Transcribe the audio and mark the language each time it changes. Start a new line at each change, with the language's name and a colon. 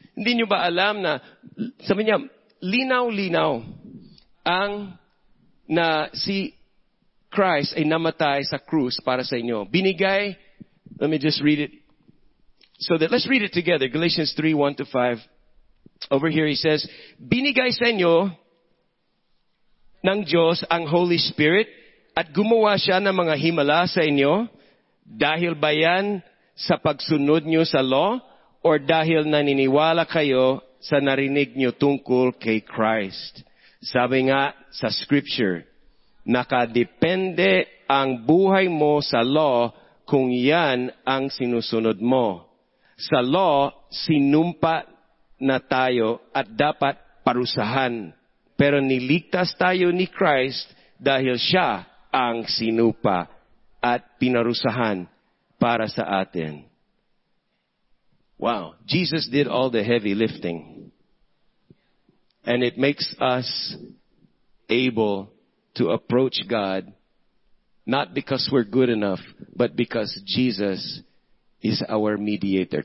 Filipino: Hindi nyo ba alam na, sabi niya, linaw-linaw ang na si Christ ay namatay sa krus para sa inyo.
English: Binigay, let me just read it. So that, let's read it together, Galatians 3, 1 to 5. Over here he says,
Filipino: binigay sa inyo ng Diyos ang Holy Spirit at gumawa siya ng mga himala sa inyo dahil ba yan sa pagsunod niyo sa law or dahil naniniwala kayo sa narinig niyo tungkol kay Christ. Sabi nga sa scripture, nakadepende ang buhay mo sa law kung yan ang sinusunod mo. Sa law, sinumpa na tayo at dapat parusahan. Pero niligtas tayo ni Christ dahil siya ang sinupa at pinarusahan para sa atin.
English: Wow, Jesus did all the heavy lifting. And it makes us able to approach God, not because we're good enough, but because Jesus is our mediator.